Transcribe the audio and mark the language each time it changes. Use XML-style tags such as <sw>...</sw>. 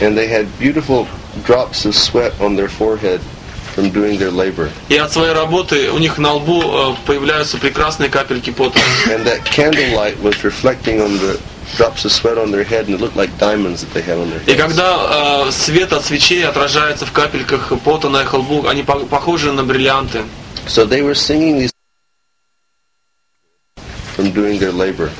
<en>And they had beautiful drops of sweat on their forehead. From doing their labor.</en> <ru>И от своей работы у них на лбу появляются прекрасные капельки пота.</ru> <en>And that candlelight was reflecting on the drops of sweat on their head, and it looked like diamonds that they had on their head.</en> <ru>И когда свет от свечей отражается в капельках пота на их лбу, они похожи на бриллианты.</ru> <en>So they were singing these from doing their labor.</en>